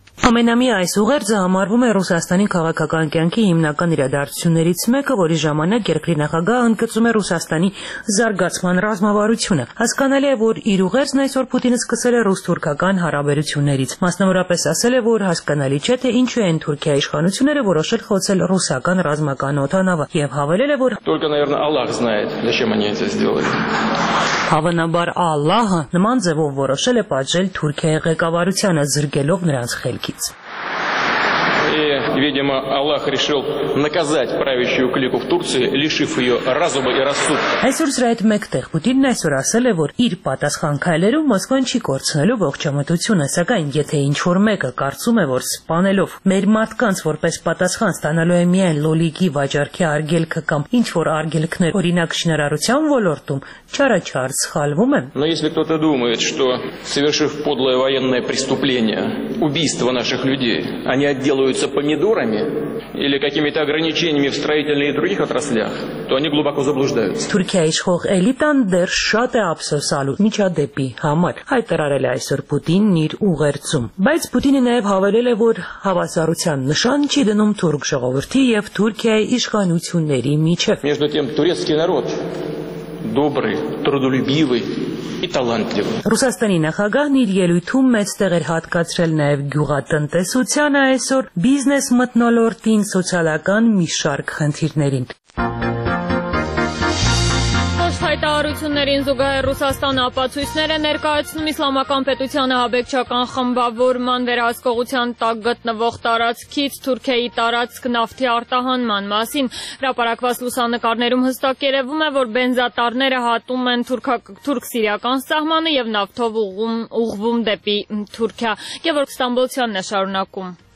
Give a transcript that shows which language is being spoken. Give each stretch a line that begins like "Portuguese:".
Armenian: Ամենամյա այս ուղերձը համարվում է Ռուսաստանի քաղաքական կյանքի հիմնական իրադարձություններից մեկը, որի ժամանակ երկրի նախագահը ընդգծում է Ռուսաստանի զարգացման ռազմավարությունը։ Հասկանալի է, որ իր ուղերձն այսօր Պուտինը սկսել է ռուս-թուրքական հարաբերություններից։ Մասնավորապես ասել է, որ հասկանալի չէ, թե ինչու են Թուրքիայի իշխանությունները որոշել խոցել ռուսական ռազմական օթանավը, և հավելել է, որ
Russian: Только, наверное, Аллах знает, зачем они это сделали.
Armenian: Հավանաբար Ալլահը նման ձևով որոշել է պատժել Թուրքիայի ղեկավարությանը, զրկելով նրանց խելքից։
Russian: Видимо, Аллах решил наказать правящую клику в Турции, лишив ее разума и рассудка.
Armenian: Այսօր զրայդ մեկտեղ Պուտինն այսօր ասել է, որ իր պատասխանքայլերում Մոսկվան չի կորցնելու ողջամտությունը, սակայն եթե ինչ-որ մեկը կարծում է, որ սպանելով մեր մարդկանց որպես պատասխան ստանալու է միայն լոլիկի վաճառքի արգելքը կամ ինչ-որ արգելքներ, օրինակ շինարարության ոլորտում, չարաչար սխալվում են.
Russian: Но если кто-то думает, что совершив подлое военное преступление, убийство наших людей, они отделаются помидорами или какими-то ограничениями в строительной и других отраслях, то они глубоко заблуждаются.
Armenian: Թուրքիայի իշխող էլիտան դեր շատ է ափսոսալու միջադեպի համար, հայտարարել է այսօր Պուտինն իր ուղերձում։ Բայց Պուտինը նաև հավելել է, որ հավասարության նշան չի դնում թուրք ժողովրդի և Թուրքիայի իշխանությունների միջև։
Russian: Между тем, турецкий народ добрый, трудолюбивый и талантливый.
Armenian: Ռուսաստանի նախագահն իր ելույթում մեծ տեղ էր հատկացրել նաև գյուղատնտեսությանը, այսօր բիզնես մթնոլորտին, սոցիալական մի շարք խնդիրներին։ Հայտարարություններին զուգահեռ Ռուսաստան ապացույցները ներկայացնում Իսլամական պետության հաբեկչական խմբավորման վերահսկողության տակ գտնվող տարածքից Թուրքիայի տարածք նավթի արտահանման մասին։ Հրապարակված լուսանկարներում հստակ երևում է, որ բենզատարները հատում են թուրք-սիրիական սահմանը և նավթով ուղղվում դեպի Թուրքիա։ Գևորգ Ստամբոլցյանն է շարունակում։